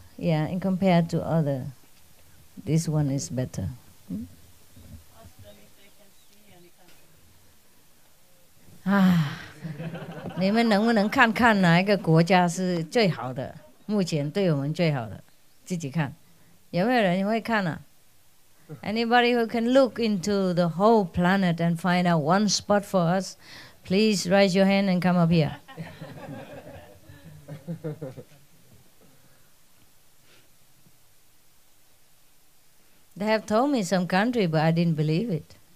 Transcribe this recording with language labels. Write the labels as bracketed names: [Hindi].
[English] Yeah, in compared to other, this one is better. [Chinese] Ah, 你们能不能看看哪一个国家是最好的？目前对我们最好的，自己看，有没有人会看啊？ [English] Anybody who can look into the whole planet and find out one spot for us, please raise your hand and come up here. They have told me some country, but I didn't believe it.